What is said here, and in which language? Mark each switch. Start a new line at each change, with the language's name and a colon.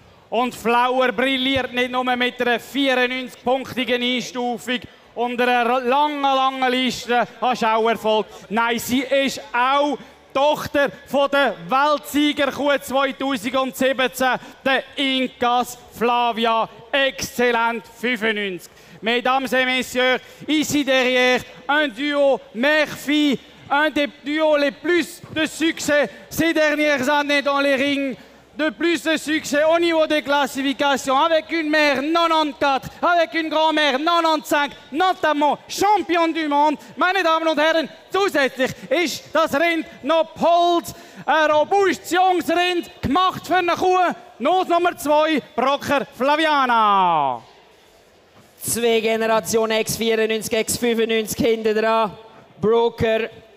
German: Und Flower brilliert nicht nur mit einer 94-punktigen Einstufung und einer langen, langen Liste an Schauerfolg. Nein, sie ist auch Tochter von der Weltsiegerkuh 2017, der Incas Flavia, exzellent 95.
French: Mesdames et Messieurs, ici derrière, un duo mère-fille, un des duos les plus de succès ces dernières années dans les rings, de plus de succès au niveau des classifications, avec une mère 94, avec une grand-mère 95, notamment champion du monde.
German: Meine Damen und Herren, zusätzlich ist das Rind noch Pols, ein robustes Jungsrind, gemacht für eine Kuh. Nose Nummer 2, Brocker Flaviana. Zwei Generationen X94, X95 hinten dran, Brocker.